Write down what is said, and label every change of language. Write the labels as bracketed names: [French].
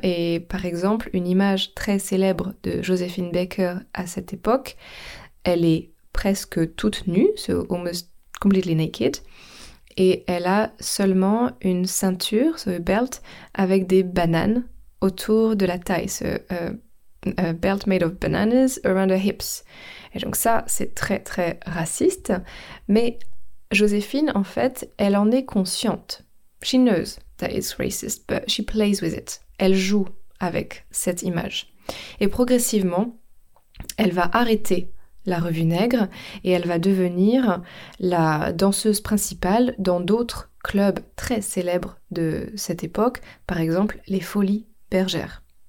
[French] Et par exemple, une image très célèbre de Joséphine Baker à cette époque, elle est presque toute nue, [English] so almost completely naked, [French] et elle a seulement une ceinture, [English] so a belt, [French] avec des bananes autour de la taille, [English] so a belt made of bananas around her hips. [French] Et donc ça, c'est très très raciste, mais Joséphine, en fait, elle en est consciente. [English] She knows that it's racist, but she plays with it. [French] Elle joue avec cette image. Et progressivement, elle va arrêter la revue nègre et elle va devenir la danseuse principale dans d'autres clubs très célèbres de cette époque, par exemple les Folies Bergères.